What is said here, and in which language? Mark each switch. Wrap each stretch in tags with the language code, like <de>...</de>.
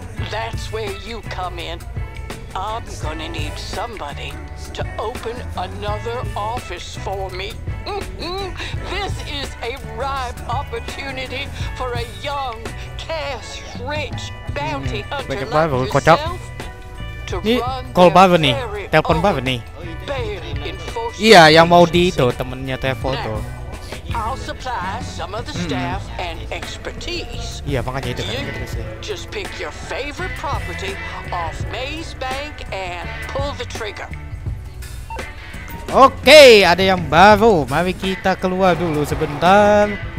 <en>That's where you come in. I'm gonna need somebody to open another office for me. This is a ripe opportunity for a young, cash-rich bounty hunter like yourself to run their very own bail enforcement agency.</en> <id>Iya, yang mau di itu temennya Trevor tuh.</id> <en>I'll supply some of the staff and expertise.</en> <id>Iya, makanya itu kan.</id> <en>Just pick your favorite property off Mays Bank and pull the trigger.</en> <id>Oke, ada yang baru. Mari kita keluar dulu sebentar.</id>